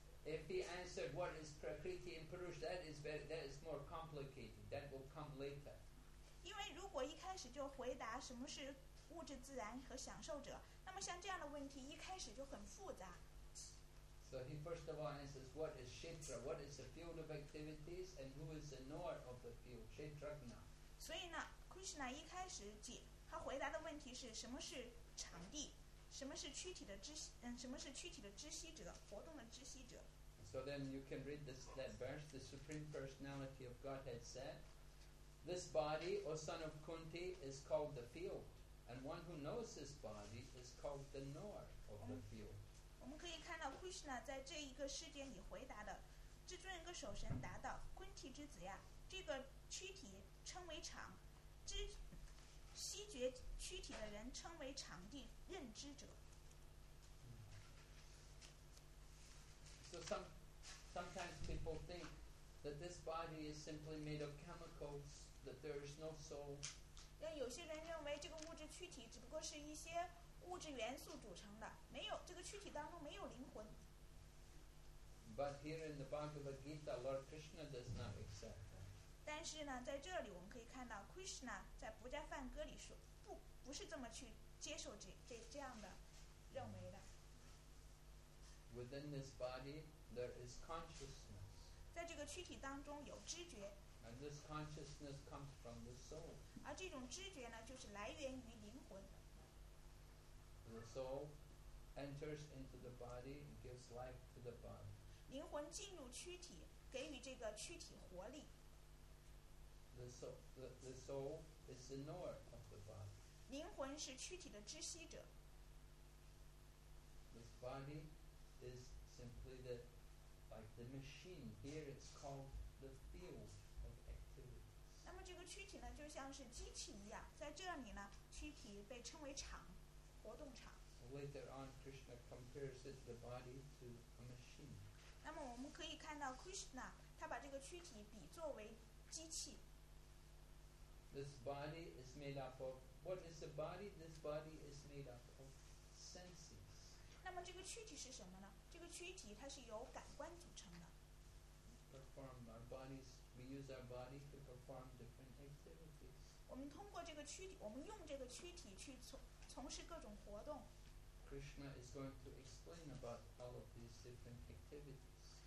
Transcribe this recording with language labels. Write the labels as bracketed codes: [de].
[en] If he answered what is Prakriti and Purush, that is more complicated. That will come later. [zh] 因为如果一开始就回答什么是物质自然和享受者，那么像这样的问题一开始就很复杂。 [en] So he first of all answers what is Kshetra, what is the field of activities, and who is the knower of the field, Kshetrajna. [zh] 所以呢 ，Krishna 一开始他回答的问题是什么是场地。什么是躯体的知什么是躯体的知悉者，活动的知悉者。 [en] So then you can read this that verse. The Supreme Personality of Godhead said, "This body, O son of Kunti, is called the field, and one who knows this body is called the knower of the field." [zh] 我们可以看到 Krishna 在这一个世界里回答的，至尊一个守神答道：“昆提之子呀，这个躯体称为场，知。” 悉觉躯体的人称为场地认知者。 [en] So sometimes people think that this body is simply made of chemicals, that there is no soul. [zh] 但有些人认为这个物质躯体只不过是一些物质元素组成的，没有这个躯体当中没有灵魂。 [en] But here in the Bhagavad Gita, Lord Krishna does not accept. [zh] 但是呢，在这里我们可以看到 ，Krishna 在《不加梵歌》里说不是这么去接受这样的认为的。 [en] Within this body, there is consciousness. [zh] 在这个躯体当中有知觉。 [en] And this consciousness comes from the soul. [zh] 而这种知觉呢，就是来源于灵魂。 [en] The soul enters into the body and gives life to the body. [zh] 灵魂进入躯体，给予这个躯体活力。 [en] The soul is the knower of the body. [zh] 灵魂是躯体的知悉者。 [en] body is simply the, like the machine. Here it's called the field of activities. [zh] 那么这个躯体呢，就像是机器一样，在这里呢，躯体被称为场，活动场。 [en] So、later on, Krishna compares it, the body to a machine. [zh] 那么我们可以看到 Krishna 他把这个躯体比作为机器。 [en] This body is made up of what is the body? This body is made up of senses. [zh] 那么这个躯体是什么呢？这个躯体它是由感官组成的。 [en] Perform our bodies. We use our body to perform different activities. [zh] 我们通过这个躯体，我们用这个躯体去从事各种活动。 [en] Krishna is going to explain about all of these different activities.